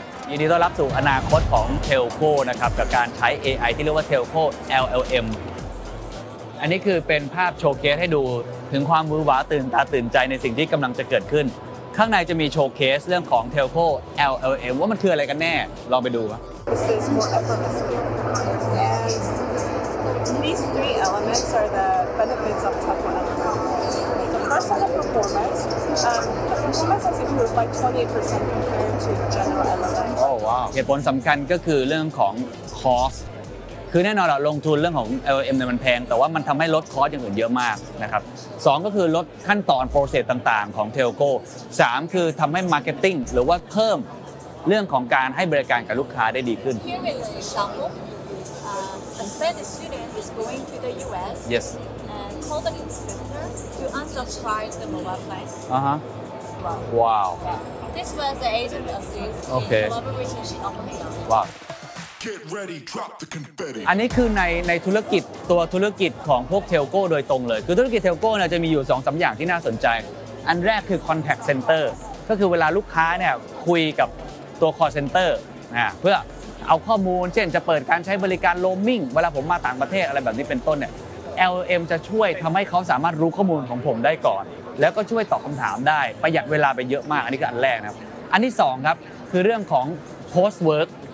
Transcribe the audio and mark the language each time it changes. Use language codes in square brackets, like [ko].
[th] ยินดีต้อนรับสู่อนาคตของ Telco นะครับกับการใช้ AI ที่เรียกว่า Telco LLM อันนี้คือเป็นภาพโชว์เคสให้ดูถึงความหวือหวาตื่นตาตื่นใจในสิ่งที่กำลังจะเกิดขึ้นข้างในจะมีโชว์เคสเรื่องของ Telco LLM ว่ามันคืออะไรกันแน่ลองไปดูครับ [en] This is more effortless. These three elements are the benefits of Telco LLM. The first one is performance. The performance has improved by 20% compared to general LLM. Oh wow. [th] เหตุผลสำคัญก็คือเรื่องของ costคือแน่นอนเราลงทุนเรื่องของ LLM เนี่ยมันแพงแต่ว่ามันทำให้ลดคอสอย่างอื่นเยอะมากนะครับ2ก็คือลดขั้นตอนโปรเซสต่างๆของ Telco 3คือทำให้ marketing หรือว่าเพิ่มเรื่องของการให้บริการกับลูกค้าได้ดีขึ้น [en] Here is an example. A student is going to the US. Yes. And called an inspector to unsubscribe the mobile plan. Uh-huh. Wow. Wow. This was the agent assist. Okay. Collaboration she opened up. Wow. Get ready drop the confetti [th] อันนี้คือในธุรกิจตัวธุรกิจของพวกเทลโก้โดยตรงเลยคือธุรกิจเทลโก้เนี่ยจะมีอยู่ 2-3 อย่างที่น่าสนใจอันแรกคือ contact center ก็คือเวลาลูกค้าเนี่ยคุยกับตัว call center นะเพื่อเอาข้อมูลเช่นจะเปิดการใช้บริการ roaming เวลาผมมาต่างประเทศอะไรแบบนี้เป็นต้นเนี่ย LLM จะช่วยทําให้เขาสามารถรู้ข้อมูลของผมได้ก่อนแล้วก็ช่วยตอบคําถามได้ประหยัดเวลาไปเยอะมากอันนี้คืออันแรกนะครับอันที่2ครับคือเรื่องของ post work